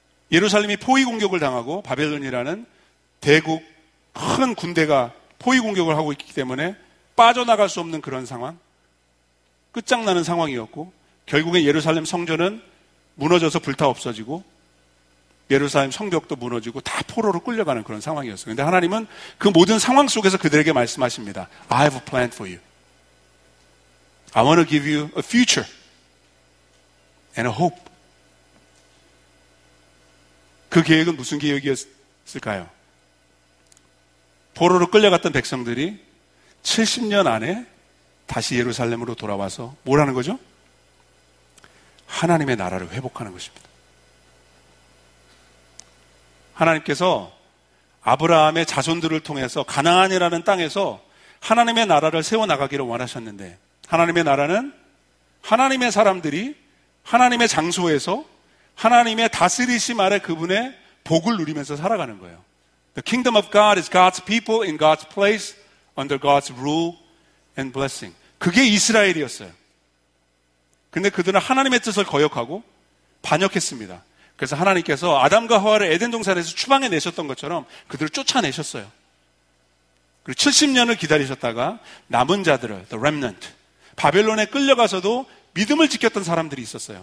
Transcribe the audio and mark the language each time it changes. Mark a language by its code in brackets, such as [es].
[ko] 예루살렘이 포위 공격을 당하고 바벨론이라는 대국 큰 군대가 포위 공격을 하고 있기 때문에 빠져나갈 수 없는 그런 상황, 끝장나는 상황이었고 결국에 예루살렘 성전은 무너져서 불타 없어지고 예루살렘 성벽도 무너지고 다 포로로 끌려가는 그런 상황이었어요. 그런데 하나님은 그 모든 상황 속에서 그들에게 말씀하십니다. [en] I have a plan for you. I want to give you a future and a hope. [ko] 그 계획은 무슨 계획이었을까요? 포로로 끌려갔던 백성들이 70년 안에 다시 예루살렘으로 돌아와서 뭘 하는 거죠? 하나님의 나라를 회복하는 것입니다. 하나님께서 아브라함의 자손들을 통해서 가나안이라는 땅에서 하나님의 나라를 세워나가기를 원하셨는데 하나님의 나라는 하나님의 사람들이 하나님의 장소에서 하나님의 다스리심 아래 그분의 복을 누리면서 살아가는 거예요. [en] The kingdom of God is God's people in God's place under God's rule and blessing. [ko] 그게 이스라엘이었어요. 근데 그들은 하나님의 뜻을 거역하고 반역했습니다. 그래서 하나님께서 아담과 하와를 에덴 동산에서 추방해 내셨던 것처럼 그들을 쫓아내셨어요. 그리고 70년을 기다리셨다가 남은 자들을, [en] the remnant, [ko] 바벨론에 끌려가서도 믿음을 지켰던 사람들이 있었어요.